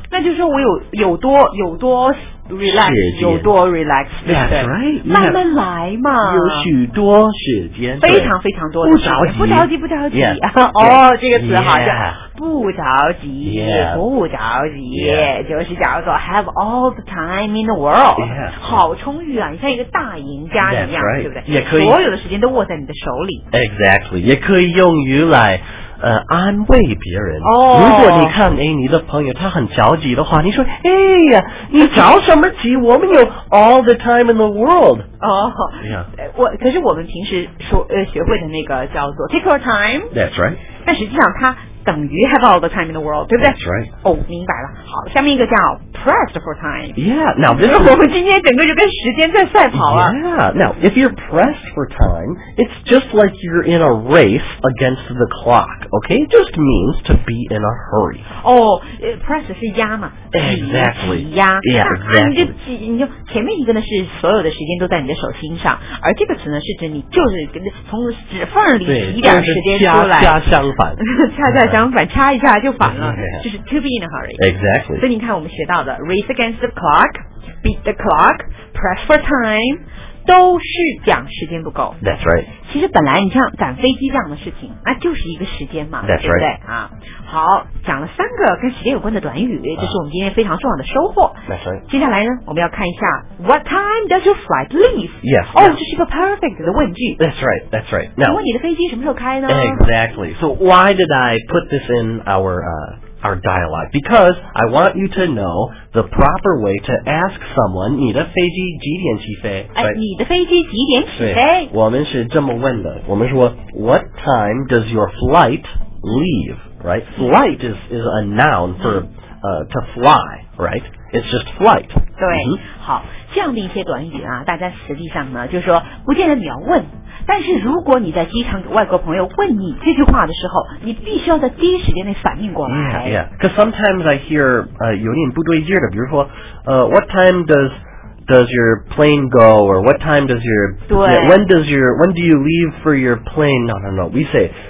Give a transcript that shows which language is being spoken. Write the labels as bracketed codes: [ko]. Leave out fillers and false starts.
[zh] 那就是我有多 relax, 有多 relax. [en] That's right. [zh] 慢慢来嘛。有许多时间。非常非常多的。不着急。哦、 [en] yeah. [zh] oh, yeah. ，这个词好像。 [en] Yeah. [zh] 不着急、 [en] yeah. [zh] 不着急、 [en] yeah. [zh] 就是叫做 [en] have all the time in the world、 yeah. [zh] 好充裕啊你像一个大赢家一样、 [en] right. [zh] 对不对也可以所有的时间都握在你的手里 [en] exactly [zh] 也可以用于来安慰别人、 oh. 如果你看哎，你的朋友他很着急的话你说哎呀你着什么急我们有 [en] all the time in the world 哦、 oh. [zh] yeah. 可是我们平时说学会的那个叫做 [en] take your time that's right [zh] 但实际上他等于 [en] have all the time in the world, [zh] 对不对? [en] That's right. [zh] 哦、oh, 明白了。好下面一个叫 [en] pressed for time. Yeah, now this is... [zh] 我们今天整个就跟时间在赛跑了。 [en] Yeah, now if you're pressed for time, it's just like you're in a race against the clock, okay? It just means to be in a hurry. [zh] 哦、pressed 是压嘛。 [en] Exactly. [zh] 压。 [en] Yeah, exactly. [zh] 你就前面一个呢是所有的时间都在你的手心上而这个词呢是指你就是从指缝里挤点时间出来。恰恰相反。恰恰相反掐一下就反了。就是 [en] to be in a hurry. Exactly. [zh] 所以你看我们学到的 [en] race against the clock, beat the clock, press for time, [zh] 都是讲时间不够。 [en] That's right. [zh] 其实本来你像赶飞机这样的事情那就是一个时间嘛。 [en] That's [zh] 对不对 [en] right.、 [zh] 啊、好讲了三个跟时间有关的短语就是我们今天非常重要的收获。 [en] That's right. [zh] 接下来呢我们要看一下 [en] What time does your flight leave? Yes. 哦、 oh, yes. [zh] 这是一个 perfect 的问句。 [en] That's right. That's right. Now, [zh] 请问你的飞机什么时候开呢 [en] Exactly. So why did I put this in our dialogue, because I want you to know the proper way to ask someone, [zh] 你的飞机几点起飞、 [en] right? [zh] 你的飞机几点起飞我们是这么问的我们说 [en] what time does your flight leave, [zh] right? [en] Flight is a noun for、to fly, right? It's just flight. [zh] 对、mm-hmm. 好这样的一些短语啊大家实际上呢就是说不见得你要问但是如果你在机场给外国朋友问你这句话的时候你必须要在第一时间内反应过来 [en] yeah, yeah. Because sometimes I hear、 [zh] 有点不对劲的比如说、 [en] what time does your plane go or what time does your [zh] 对 [en] yeah, when do you leave for your plane no we say